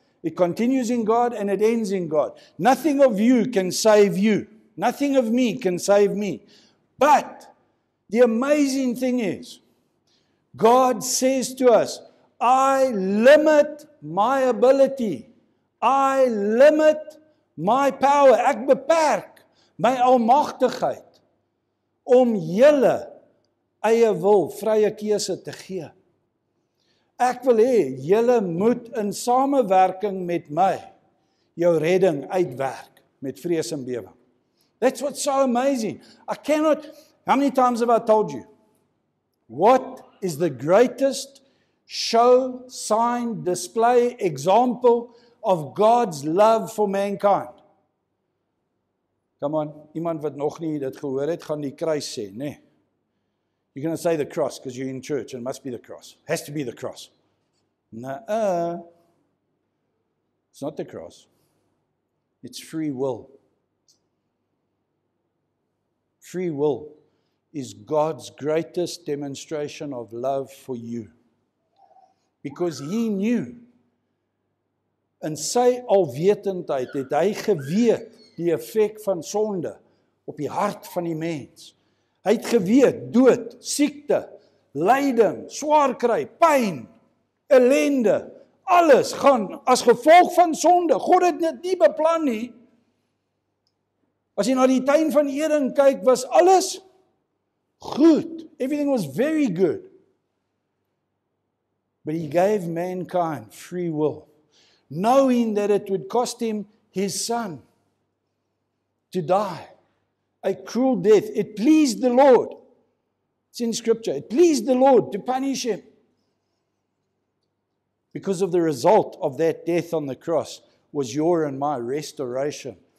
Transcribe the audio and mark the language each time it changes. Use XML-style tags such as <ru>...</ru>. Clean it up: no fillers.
<en>It continues in God and it ends in God. Nothing of you can save you. Nothing of me can save me. But the amazing thing is, God says to us, I limit my ability. I limit my power.</en> <af>Ek beperk my almagtigheid om julle eie wil, vrye keuse te gee. Ek wil hê julle moet in samewerking met my jou redding uitwerk met vrees en bewering.</af> <en>That's what's so amazing. I cannot, how many times have I told you? What is the greatest show, sign, display, example of God's love for mankind? Come on,</en> <af>iemand wat nog nie dit gehoor het, gaan die kruis sê, nê?</af> <en>You're going to say the cross because you're in church and it must be the cross. It has to be the cross. Nuh-uh. It's not the cross. It's free will. Free will is God's greatest demonstration of love for you. Because He knew.</en> <af>In sy alwetendheid het hy geweet die effek van sonde op die hart van die mens. Hy het geweet dood, siekte, lyding, swaar kry, pyn, ellende, alles gaan as gevolg van sonde. God het dit nie beplan nie. As jy na die tuin van Eden kyk, was alles goed.</af> <en>Everything was very good. But He gave mankind free will, knowing that it would cost Him His Son to die a cruel death. It pleased the Lord. It's in Scripture. It pleased the Lord to punish Him because of the result of that death on the cross was your and my restoration.</en>